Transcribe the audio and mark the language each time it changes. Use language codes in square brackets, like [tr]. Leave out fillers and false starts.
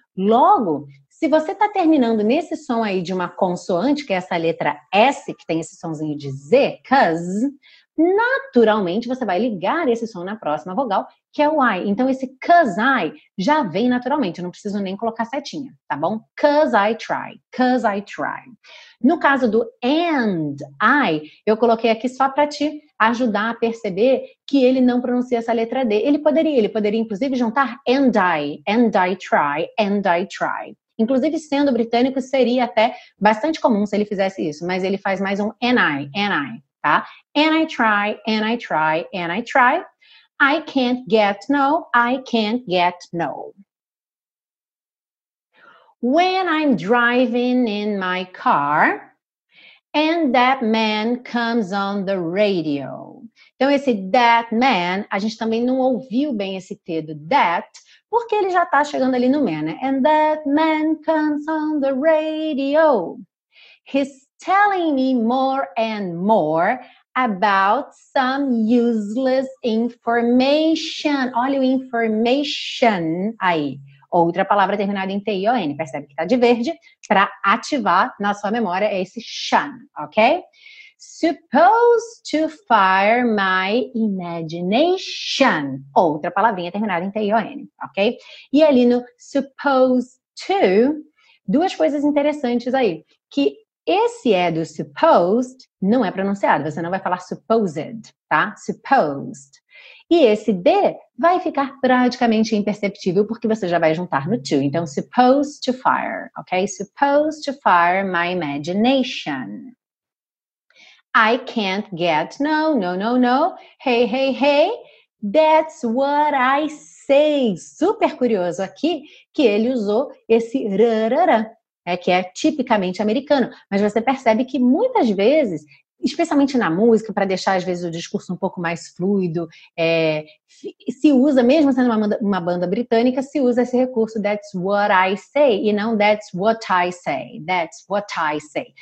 [pt] Logo, se você está terminando nesse som aí de uma consoante, que é essa letra S, que tem esse somzinho de Z, cause, naturalmente você vai ligar esse som na próxima vogal, que é o I. Então esse cause I já vem naturalmente, eu não preciso nem colocar setinha, tá bom? [en] Cause I try, cause I try. [pt] No caso do and I, eu coloquei aqui só para te ajudar a perceber que ele não pronuncia essa letra D. Ele poderia inclusive juntar [en] and I try, and I try. [pt] Inclusive, sendo britânico, seria até bastante comum se ele fizesse isso. Mas ele faz mais um and I, tá? [en] And I try, and I try, and I try. I can't get no, I can't get no. When I'm driving in my car, and that man comes on the radio. [pt] Então, esse that man, a gente também não ouviu bem esse T do that, porque ele já tá chegando ali no man, né? [en] And that man comes on the radio. He's telling me more and more about some useless information. [pt] Olha o information aí. Outra palavra terminada em T-I-O-N. Percebe que tá de verde? Para ativar na sua memória é esse shun, ok? [en] Supposed to fire my imagination. [pt] Outra palavrinha terminada em T-I-O-N, ok? E ali no supposed to, duas coisas interessantes aí. Que esse é do supposed, não é pronunciado. Você não vai falar supposed, tá? Supposed. E esse D vai ficar praticamente imperceptível, porque você já vai juntar no to. [en] Então, supposed to fire, ok? Supposed to fire my imagination. I can't get no, no, no, no. Hey, hey, hey, that's what I say. [pt] Super curioso aqui que ele usou esse rarara, é que é tipicamente americano. Mas você percebe que muitas vezes, especialmente na música, para deixar às vezes o discurso um pouco mais fluido, se usa, mesmo sendo uma banda britânica, se usa esse recurso [en] that's what I say [pt] e não that's what I say, that's what I say.